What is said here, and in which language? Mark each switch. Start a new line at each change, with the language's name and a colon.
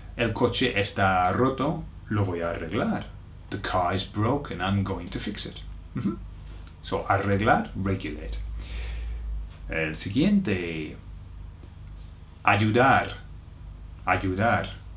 Spanish: El coche está roto, lo voy a arreglar.
English: The car is broken, I'm going to fix it. Mm-hmm. So, arreglar, regulate.
Spanish: El siguiente, ayudar, ayudar.